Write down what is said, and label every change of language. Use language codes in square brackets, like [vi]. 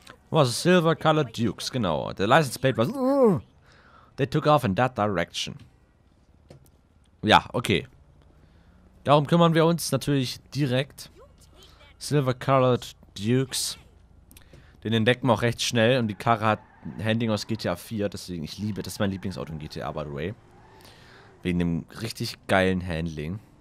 [de] Was ist Silver Color Dukes, genau. [en] The license plate was... They took off in that direction. [de] Ja, okay. Darum kümmern wir uns natürlich direkt... Silver Colored Dukes. Den entdecken wir auch recht schnell. Und die Karre hat ein Handling aus GTA 4. Deswegen, ich liebe, das ist mein Lieblingsauto in GTA, [en] by the way. [de] Wegen dem richtig geilen Handling.